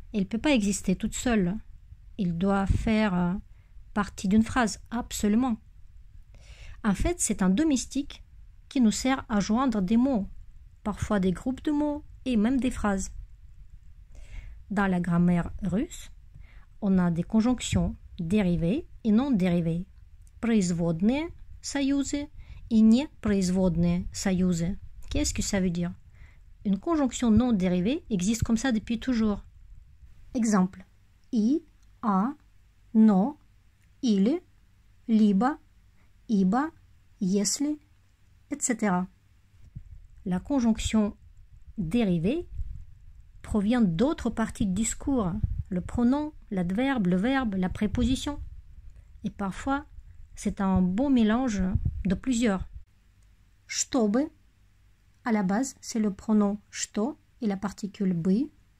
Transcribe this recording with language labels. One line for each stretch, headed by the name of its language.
French: Elle ne peut pas exister toute seule. Elle doit faire partie d'une phrase, absolument. En fait, c'est un domestique qui nous sert à joindre des mots, parfois des groupes de mots et même des phrases. Dans la grammaire russe, on a des conjonctions dérivées et non dérivées.
Russian: Производные, союзы, и непроизводные, союзы.
French: Qu'est-ce que ça veut dire? Une conjonction non dérivée existe comme ça depuis toujours. Exemple.
Russian: И, а, но, или, либо, ибо, если, etc.
French: La conjonction dérivée provient d'autres parties du discours. Le pronom, l'adverbe, le verbe, la préposition. Et parfois, c'est un bon mélange de plusieurs. Чтобы, à la base, c'est le pronom что et la particule бы.